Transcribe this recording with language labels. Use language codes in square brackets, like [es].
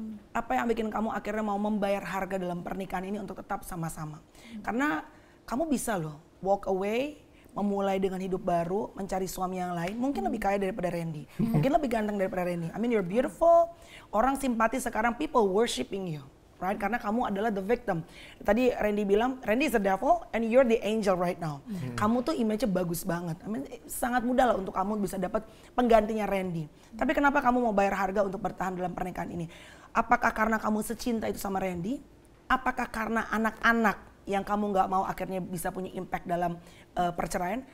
[id] Apa yang bikin kamu akhirnya mau membayar harga dalam pernikahan ini untuk tetap sama-sama? Karena kamu bisa loh, [en] walk away, [id] memulai dengan hidup baru, mencari suami yang lain, mungkin lebih kaya daripada Randy. Mungkin lebih ganteng daripada Randy. [en] I mean, you're beautiful. [id] Orang simpati sekarang, [en] people worshiping you. Right? [id] Karena kamu adalah [en] the victim. [id] Tadi Randy bilang, [en] Randy is the devil and you're the angel right now. [id] Kamu tuh image-nya bagus banget. [en] I mean, [id] sangat mudah lah untuk kamu bisa dapat penggantinya Randy. Tapi kenapa kamu mau bayar harga untuk bertahan dalam pernikahan ini? Apakah karena kamu secinta itu sama Randy? Apakah karena anak-anak yang kamu gak mau akhirnya bisa punya impact dalam perceraian?